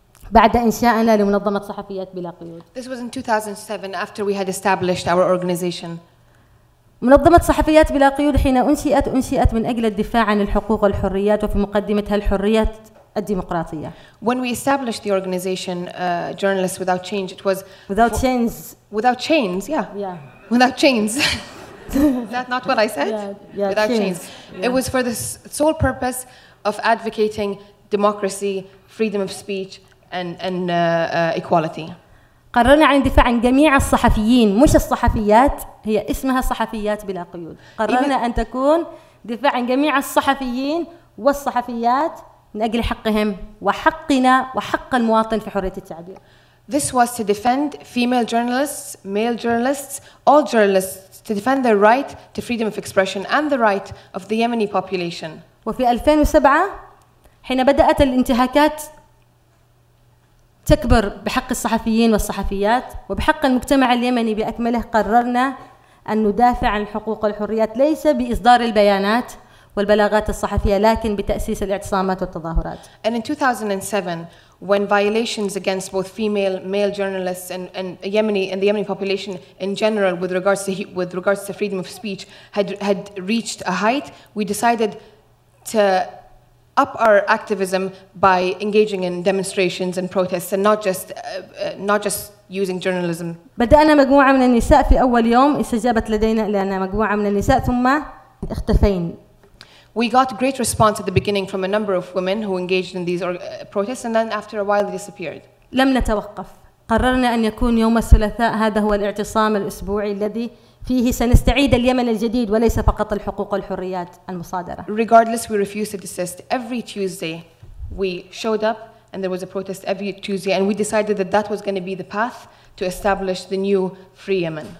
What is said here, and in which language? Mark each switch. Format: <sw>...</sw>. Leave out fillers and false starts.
<ar>بعد إنشاءنا لمنظمة صحفيات بلا قيود.</ar> <en>This was in 2007 after we had established our organization.</en> <ar>منظمة صحفيات بلا قيود حين أنشئت من أجل الدفاع عن الحقوق والحريات وفي مقدمتها الحريات الديمقراطية.</ar> <en>When we established the organization, Journalists Without Change, it was without chains. Without chains, yeah. Yeah. Without chains. Is that not what I said? Yeah, without chains. Yeah. It was for the sole purpose of advocating democracy, freedom of speech, and equality.</en> <ar>قررنا عن الدفاع عن جميع الصحفيين، مش الصحفيات، هي اسمها صحفيات بلا قيود. قررنا أن تكون دفاع عن جميع الصحفيين والصحفيات من أجل حقهم وحقنا وحق المواطن في حرية التعبير.</ar> <en>This was to defend female journalists, male journalists, all journalists. To defend their right to freedom of expression and the right of the Yemeni population.</en> <ar>وفي 2007 حين بدأت الانتهاكات تكبر بحق الصحفيين والصحفيات وبحق المجتمع اليمني بأكمله قررنا أن ندافع عن الحقوق والحريات ليس بإصدار البيانات والبلاغات الصحفية لكن بتأسيس الاعتصامات والتظاهرات.</ar> <en>And in 2007, when violations against both female male journalists and Yemeni and the Yemeni population in general with regards to freedom of speech had reached a height, we decided to up our activism by engaging in demonstrations and protests and not just using journalism.</en> <ar>بدأنا مجموعة من النساء في أول يوم استجابت لدينا لأن مجموعة من النساء ثم اختفين.</ar> <en>We got great response at the beginning from a number of women who engaged in these protests and then after a while they disappeared.</en> <ar>لم نتوقف. قررنا أن يكون يوم الثلاثاء هذا هو الاعتصام الأسبوعي الذي فيه سنستعيد اليمن الجديد وليس فقط الحقوق والحريات المصادرة.</ar> <en>Regardless, we refused to desist. Every Tuesday, we showed up and there was a protest every Tuesday and we decided that that was going to be the path to establish the new free Yemen.</en>